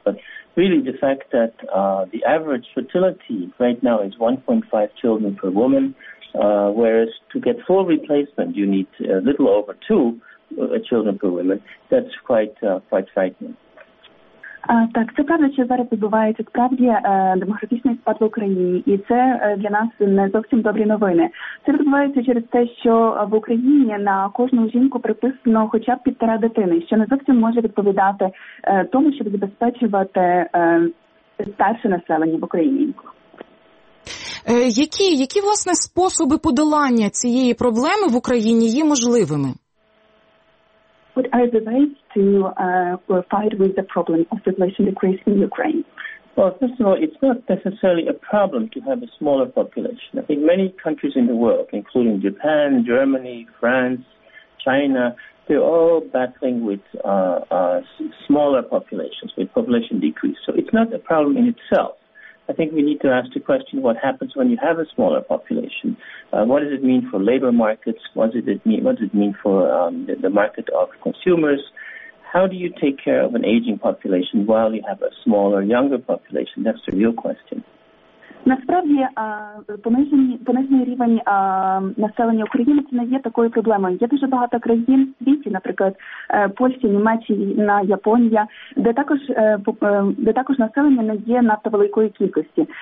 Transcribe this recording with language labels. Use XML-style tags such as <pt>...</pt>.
<en>But really the fact that the average fertility right now is 1.5 children per woman, whereas to get full replacement you need a little over 2 children per woman, that's quite frightening.</en> <uk>Так, це правда, що зараз відбувається справді демографічний спад в Україні, і це для нас не зовсім добрі новини. Це відбувається через те, що в Україні на кожну жінку приписано хоча б півтора дитини, що не зовсім може відповідати тому, щоб забезпечувати старше населення в Україні. Які власне способи подолання цієї проблеми в Україні є можливими?</uk> <en>What are the ways to fight with the problem of population decrease in Ukraine? Well, first of all, it's not necessarily a problem to have a smaller population. I think many countries in the world, including Japan, Germany, France, China, they're all battling with smaller populations, with population decrease. So it's not a problem in itself. I think we need to ask the question, what happens when you have a smaller population? What does it mean for labor markets? What does it mean for the market of consumers? How do you take care of an aging population while you have a smaller, younger population? That's the real question.</en> <uk>Насправді, понижений рівень населення України – це не є такою проблемою. Є дуже багато країн в світі, наприклад, Польща, Німеччина, Японія, де також населення не є надто великої кількості.</uk>